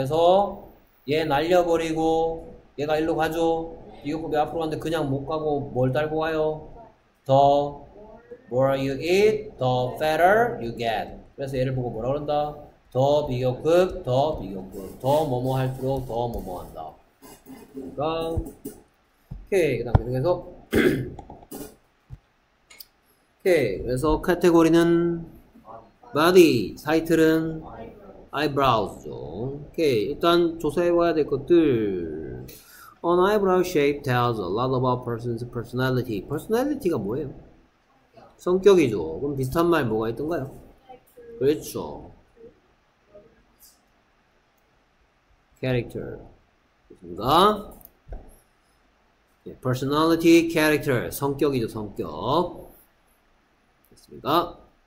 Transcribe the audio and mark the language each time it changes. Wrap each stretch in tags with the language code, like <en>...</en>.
<ko>그래서 얘 날려버리고 얘가 일로 가죠. 이거 앞으로 왔는데 그냥 못 가고 뭘 달고 가요?</ko> <en>The more you eat, the fatter you get.</en> <ko>그래서 얘를 보고 뭐라 그런다? 더 비교급, 더 비교급. 더 뭐뭐 할수록 더 뭐뭐 한다. 그러니까 오케이. 그다음 계속해서 오케이. 그래서 카테고리는 body, 타이틀은 eyebrows죠. 오케이. 일단 조사해봐야 될 것들.</ko> <en>An eyebrow shape tells a lot about person's personality.</en> <ko>Personality가 뭐예요? 성격이죠. 그럼 비슷한 말 뭐가 있던가요? 그렇죠.</ko> <en>Character. 그니까 Personality, character.</en> <ko>성격이죠, 성격. 됐습니까?</ko>